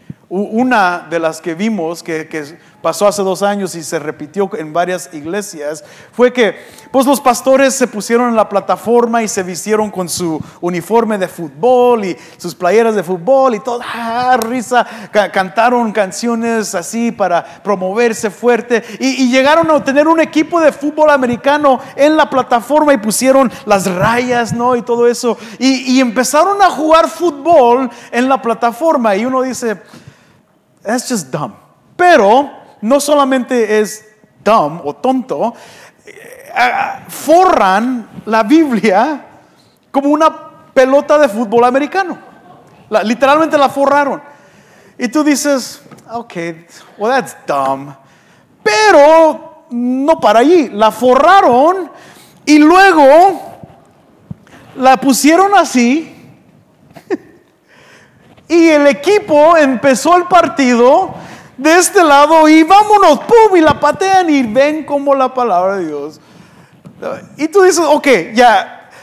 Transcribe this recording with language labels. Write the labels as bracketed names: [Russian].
[Spanish] Una de las que vimos que pasó hace 2 años y se repitió en varias iglesias fue que, pues, los pastores se pusieron en la plataforma y se vistieron con su uniforme de fútbol y sus playeras de fútbol y todo, risa, cantaron canciones así para promoverse fuerte y llegaron a tener un equipo de fútbol americano en la plataforma y pusieron las rayas, ¿no?, y todo eso, y empezaron a jugar fútbol en la plataforma. Y uno dice: [English] that's just dumb. [Spanish] Pero no solamente es dumb o tonto, forran la Biblia como una pelota de fútbol americano. Literalmente la forraron. Y tú dices: [English] ok, well, that's dumb. [Spanish] Pero no para allí. La forraron y luego la pusieron así. Y el equipo empezó el partido de este lado y vámonos, pum, y la patean y ven como la palabra de Dios. Y tú dices: ok, ya,